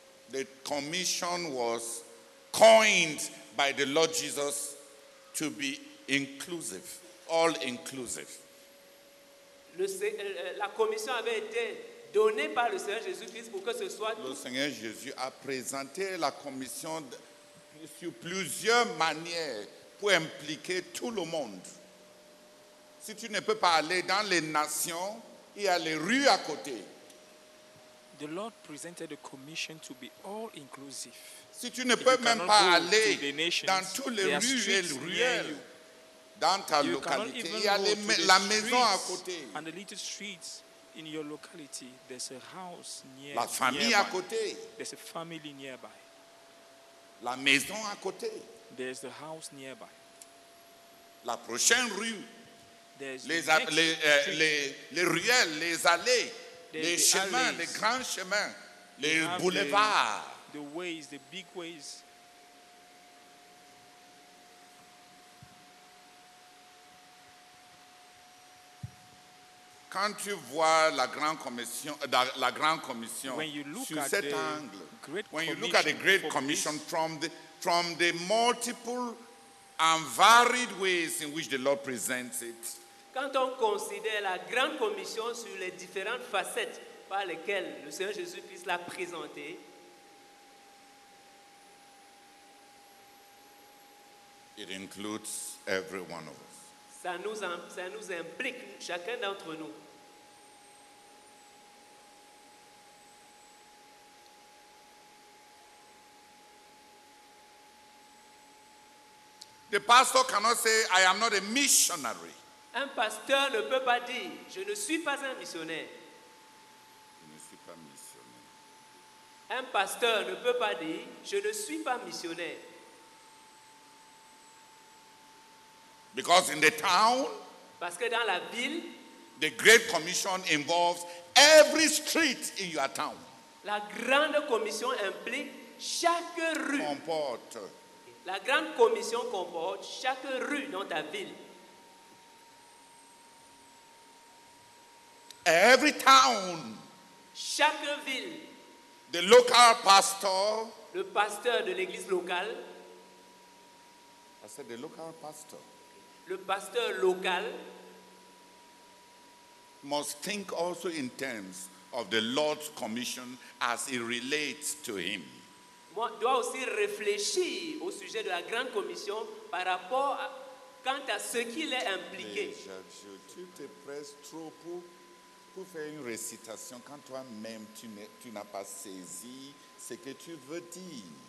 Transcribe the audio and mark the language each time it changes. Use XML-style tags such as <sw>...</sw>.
<en>The commission was coined by the Lord Jesus to be inclusive, all inclusive.</en> <fr>La commission avait été donnée par le Seigneur Jésus-Christ pour que ce soit. Le Seigneur Jésus a présenté la commission sur plusieurs manières pour impliquer tout le monde. Si tu ne peux pas aller dans les nations, il y a les rues à côté.</fr> <en>The Lord presented a commission to be all inclusive.</en> <fr>Si tu ne peux même pas aller dans toutes les rues et les ruelles dans ta localité, il y a la maison à côté.</fr> <en>And the little streets in your locality, there's a house near.</en> <fr>La famille à côté.</fr> <en>There's a family nearby.</en> <fr>La maison à côté.</fr> <en>There's a house nearby.</en> <fr>La prochaine rue. Les ruelles, les allées. Les chemins,</fr> <en>alleys,</en> <fr>les grands chemins, les boulevards.</fr> <en>The ways, the big ways.</en> <fr>Quand tu vois la grande commission sur cet angle,</fr> <en>when you look at the Great Commission from the multiple and varied ways in which the Lord presents it.</en> <fr>Quand on considère la grande commission sur les différentes facettes par lesquelles le Seigneur Jésus-Christ l'a présentée,</fr> <en>it includes every one of us.</en> <fr>Ça nous implique chacun d'entre nous.</fr> <en>The pastor cannot say, I am not a missionary.</en> <fr>Un pasteur ne peut pas dire, je ne suis pas un missionnaire. Je ne suis pas missionnaire. Un pasteur ne peut pas dire, je ne suis pas missionnaire.</fr> <en>Because in the town,</en> <fr>parce que dans la ville,</fr> <en>the Great Commission involves every street in your town.</en> <fr>La grande commission implique chaque rue. Comporte. La grande commission comporte chaque rue dans ta ville.</fr> <en>Every town,</en> <fr>chaque ville,</fr> <en>the local pastor,</en> <fr>le pasteur de l'église locale,</fr> <en>I said the local pastor,</en> <fr>le pasteur local,</fr> <en>must think also in terms of the Lord's commission as it relates to him.</en> <fr>Doit aussi réfléchir au sujet de la grande commission par rapport à, quant à ce qu'il est impliqué. Tu te presses trop pour faire une récitation quand toi-même tu n'as pas saisi ce que tu veux dire.</fr>